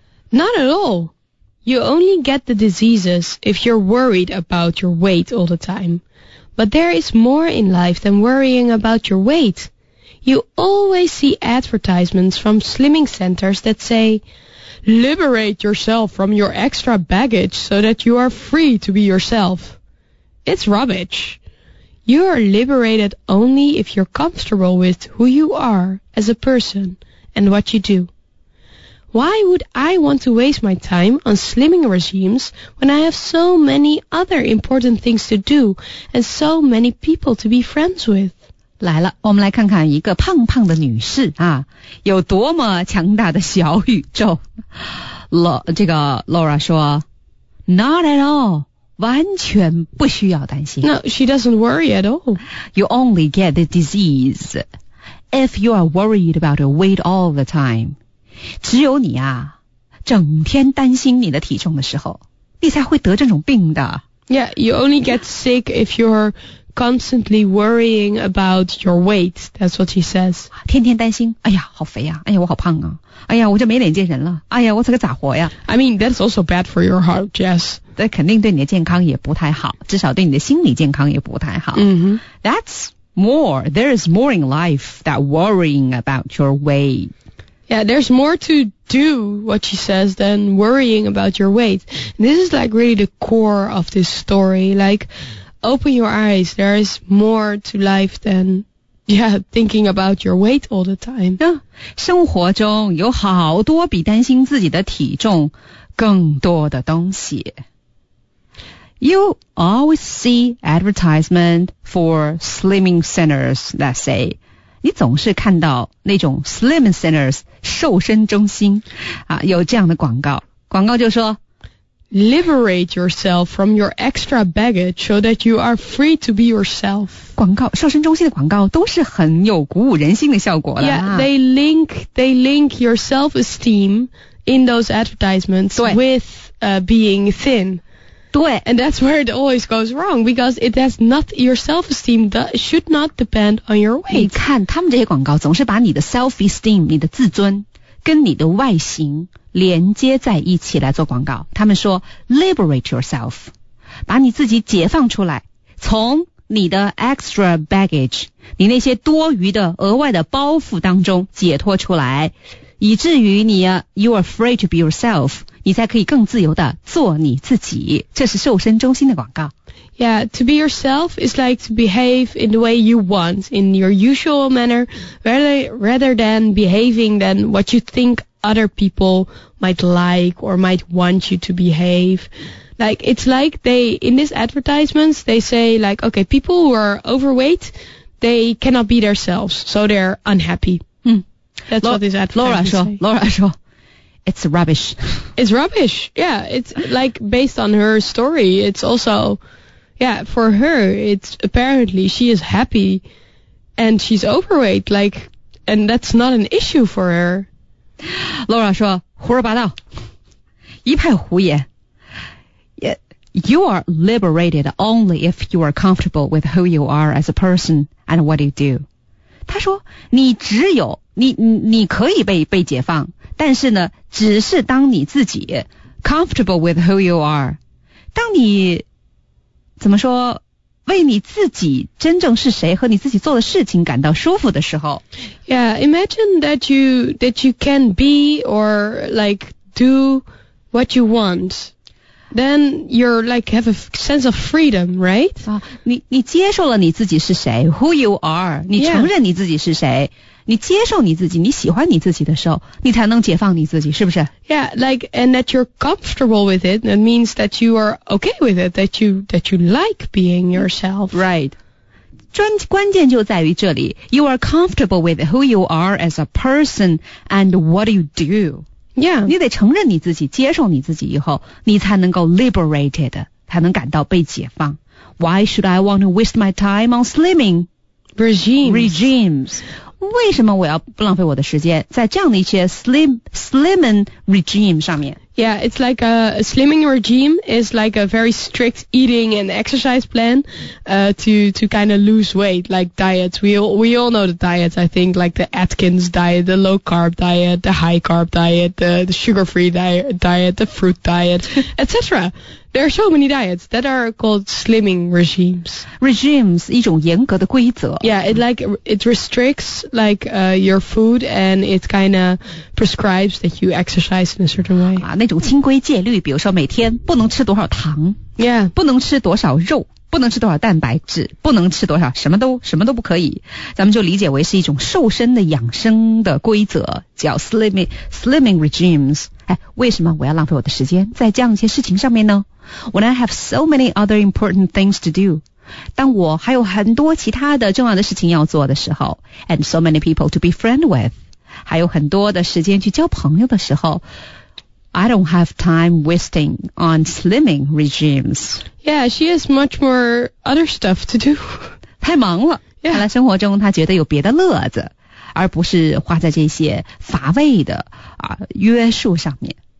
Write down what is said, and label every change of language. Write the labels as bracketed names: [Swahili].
[English] Not at all. You only get the diseases if you're worried about your weight all the time. But there is more in life than worrying about your weight. You always see advertisements from slimming centers that say, liberate yourself from your extra baggage so that you are free to be yourself. It's rubbish. You are liberated only if you're comfortable with who you are as a person and what you do. Why would I want to waste my time on slimming regimes when I have so many other important things to do and so many people to be friends with? [Chinese] 来了，我们来看看一个胖胖的女士啊，有多么强大的小宇宙。这个 Laura 说 ， [English] Not at all， [Chinese] 完全不需要担心。 [English] No, she doesn't worry at all. You only get the disease if you are worried about your weight all the time. [Chinese] 只有你啊，整天担心你的体重的时候，你才会得这种病的。 [English] Yeah, you only get sick if you're constantly worrying about your weight. That's what she says. [Chinese] 天天担心，哎呀，好肥啊，哎呀，我好胖啊，哎呀，我就没脸见人了，哎呀，我这个咋活呀 [English] ？I mean, that's also bad for your heart, yes. [Chinese] 这肯定对你的健康也不太好，至少对你的心理健康也不太好。 [English] Mm-hmm. That's more. There is more in life than worrying about your weight. Yeah, there's more to do, what she says, than worrying about your weight. And this is like really the core of this story. Like, open your eyes. There is more to life than, thinking about your weight all the time. [Chinese] Yeah, 生活中有好多比担心自己的体重更多的东西。 [English] You always see advertisement for slimming centers, let's say. [Chinese] 你总是看到那种 [English] slim centers [Chinese] 瘦身中心啊，有这样的广告。广告就说 [English] ，liberate yourself from your extra baggage so that you are free to be yourself。 [Chinese] 广告瘦身中心的广告都是很有鼓舞人心的效果的。 [English] Yeah, they link your self-esteem in those advertisements with being thin. [Chinese] 对 [English] ，and that's where it always goes wrong because it has not your self esteem should not depend on your weight. [Chinese] 你看他们这些广告总是把你的 self esteem 你的自尊跟你的外形连接在一起来做广告。他们说 [English] liberate yourself， [Chinese] 把你自己解放出来，从你的 [English] extra baggage， [Chinese] 你那些多余的额外的包袱当中解脱出来，以至于你 [English] you are free to be yourself。 [Chinese] 你才可以更自由地做你自己，这是瘦身中心的广告。 [English] Yeah, to be yourself is like to behave in the way you want, in your usual manner, rather than behaving than what you think other people might like or might want you to behave. Like, it's like they, in these advertisements, they say like, okay, people who are overweight, they cannot be themselves, so they're unhappy. That's what this advertisement says. Laura 说It's rubbish. It's rubbish. Yeah, it's like based on her story. It's also, for her, it's apparently she is happy and she's overweight. Like, and that's not an issue for her. [Chinese] Laura 说胡说八道，一派胡言。 [English] You are liberated only if you are comfortable with who you are as a person and what you do. [Chinese] 她说你只有你可以被解放。但是呢，只是当你自己 [English] comfortable with who you are， [Chinese] 当你怎么说为你自己真正是谁和你自己做的事情感到舒服的时候 [English] ，Yeah， imagine that you can be or like do what you want， then you're like have a sense of freedom, right? [Chinese] 你接受了你自己是谁 ， [English] who you are， [Chinese] 你承认你自己是谁， [English] yeah. [Chinese] 你接受你自己，你喜欢你自己的时候，你才能解放你自己，是不是 [English] ？Yeah, like and that you're comfortable with it, that means that you are okay with it, that you like being yourself, right? [Chinese] 关键就在于这里 [English] You are comfortable with who you are as a person and what you do. Yeah. [Chinese] 你得承认你自己接受你自己以后你才能够 liberated, 才能感到被解放。 [English] Why should I want to waste my time on slimming? Regimes. [Chinese] 为什么我要不浪费我的时间在这样的一些 slimming regime 上面 [English] Yeah, it's like a slimming regime is like a very strict eating and exercise plan, to kind of lose weight, like diets. We all know the diets, I think, like the Atkins diet, the low carb diet, the high carb diet, the sugar free diet, the fruit diet, etc. There are so many diets that are called slimming regimes. [Chinese] Regimes, 一种严格的规则 [English] Yeah, it restricts like, your food and it kind of prescribes that you exercise in a certain way. [Chinese] 那种清规戒律比如说每天不能吃多少糖、 [English] yeah. [Chinese] 不能吃多少肉不能吃多少蛋白质不能吃多少什么都不可以咱们就理解为是一种瘦身的养生的规则叫 slimming regimes 为什么我要浪费我的时间在这样一些事情上面呢 [English] When I have so many other important things to do [Chinese] 当我还有很多其他的重要的事情要做的时候 [English] And so many people to be friend with [Chinese] 还有很多的时间去交朋友的时候 [English] I don't have time wasting on slimming regimes. Yeah, she has much more other stuff to do. [Chinese] 太忙了。 [English] Yeah. [Chinese] 看来生活中她觉得有别的乐子而不是花在这些乏味的、约束上面。